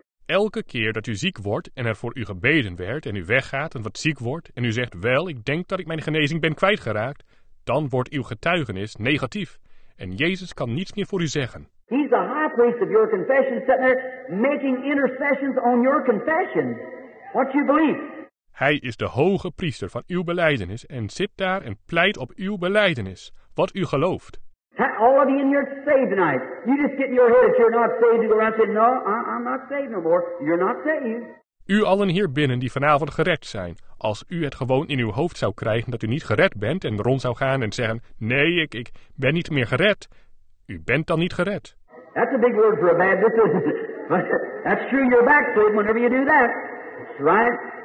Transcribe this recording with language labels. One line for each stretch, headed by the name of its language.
Dutch: Elke keer dat u ziek wordt en er voor u gebeden werd en u weggaat en wat ziek wordt en u zegt, wel, ik denk dat ik mijn genezing ben kwijtgeraakt, dan wordt uw getuigenis negatief. En Jezus kan niets meer voor u zeggen.
English: He's the high priest of your confession, sitting there making intercessions on your confession. What you believe.
Dutch: Hij is de hoge priester van uw belijdenis en zit daar en pleit op uw belijdenis, wat u gelooft.
English: All of you in here saved tonight. You just get in your head if you're not saved. You go around and say, no, I'm not saved no more. You're not saved.
Dutch: U allen hier binnen die vanavond gered zijn. Als u het gewoon in uw hoofd zou krijgen dat u niet gered bent en rond zou gaan en zeggen, nee, ik ben niet meer gered. U bent dan niet gered.
English: That's a big word for a Baptist, isn't it? That's true, you're backslidden whenever you do that. That's right.